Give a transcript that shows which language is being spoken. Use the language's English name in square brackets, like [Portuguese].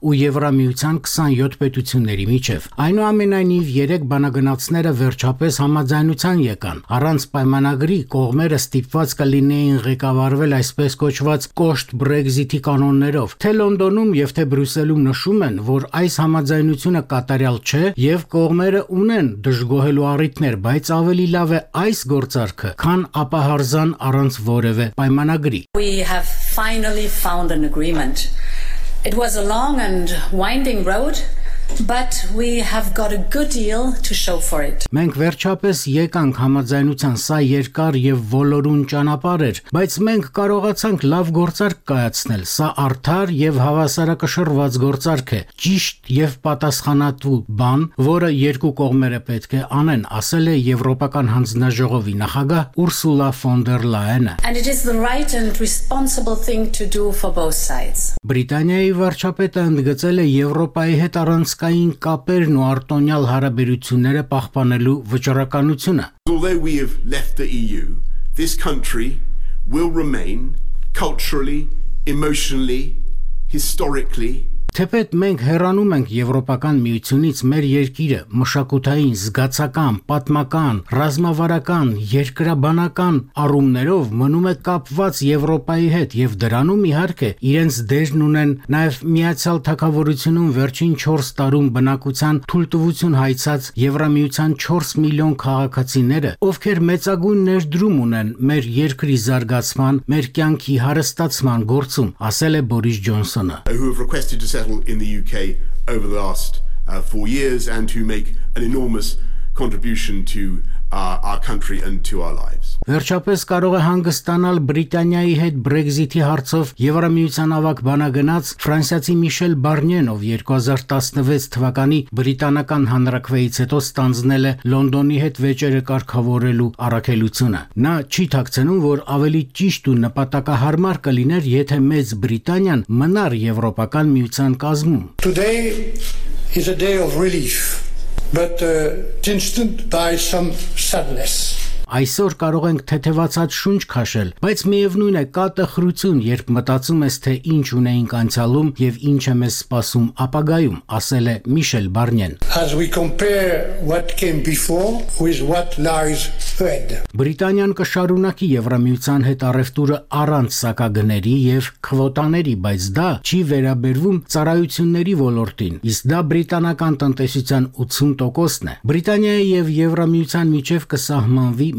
[Armenian] ու Եվրամիության 27 պետությունների միջև։ Այնուամենայնիվ, երեք բանակցները վերջապես համաձայնության եկան, առանց պայմանագրի կողմերը ստիպված կլինեին ղեկավարվել այսպես կոչված կոշտ Brexit-ի կանոններով, թե Լոնդոնում և թե Բրյուսելում նշում են, որ այս համաձայնությունը կատարյալ չէ և կողմերը ունեն դժգոհելու առիթներ, բայց ավելի լավ է այս գործարքը, քան ապահարզան առանց որևէ պայմանագրի։ [English] We have finally found an agreement. It was a long and winding road. But we have got a good deal to show for it. [Armenian] Մենք վերջապես եկանք համաձայնության, սա երկար եւ ոլորուն ճանապարհ էր, բայց մենք կարողացանք լավ գործարք կայացնել, սա արդար եւ հավասարակշռված գործարք է, ճիշտ եւ պատասխանատու բան, որը երկու կողմերը պետք է անեն, ասել է Եվրոպական հանձնաժողովի նախագահ Ursula von der Leyen. [English] And it is the right and responsible thing to do for both sides. [Armenian] Բրիտանիայի վարչապետը ընդգծել է Եվրոպայի հետ առանց սկային կապերն ու արտոնյալ հարաբերությունները պահպանելու վճռականությունը. [English] Although we have left the EU, this country will remain culturally, emotionally, historically. [Armenian] Թեպետ մենք հեռանում ենք Եվրոպական միությունից, մեր երկիրը մշակութային, զգացական, պատմական, ռազմավարական, երկրաբանական առումներով մնում է կապված Եվրոպայի հետ, եւ դրանում իհարկե իրենց դերն ունեն նաեւ Միացյալ Թագավորությունում վերջին 4 տարում բնակության թույլտվություն հայցած Եվրամիության 4 միլիոն քաղաքացիները, ովքեր մեծագույն ներդրում ունեն մեր երկրի զարգացման, մեր կյանքի հարստացման գործում, ասել է Բորիս Ջոնսոնը. [English] Settle in the UK over the last 4 years and to make an enormous contribution to our country and to our lives. [Armenian] Վերջապես կարող է հանգստանալ Բրիտանիայի հետ Brexit-ի հարցով Եվրամիության ավագ բանակցած ֆրանսիացի Միշել Բարնիեն, ով 2016 թվականի բրիտանական հանրակրվեից հետո ստանձնել է Լոնդոնի հետ վեճերը կարգավորելու առաքելությունը։ Նա չի ཐակցնում, որ ավելի ճիշտ ու նպատակահարմար կլիներ, եթե Մեծ Բրիտանիան մնար Եվրոպական միության կազմում։ [English] Today is a day of relief. But tinged by some sadness. [Armenian] Այսօր կարող ենք թեթևացած շունչ քաշել, բայց միևնույն է, կա տխրություն, երբ մտածում ես, թե ինչ ունենք անցյալում եւ ինչ է մեզ սպասում ապագայում, ասել է Միշել Բարնիեն. [English] As we compare what came before with what lies ahead. [Armenian] Բրիտանիան կշարունակի Եվրամիության հետ առևտուրը առանց սակագների եւ քվոտաների, բայց դա չի վերաբերվում ծառայությունների ոլորտին, իսկ դա բրիտանական տնտեսության 80%-ն է։ Բրիտանիայի եւ Եվրամիության միջև կսահմանվի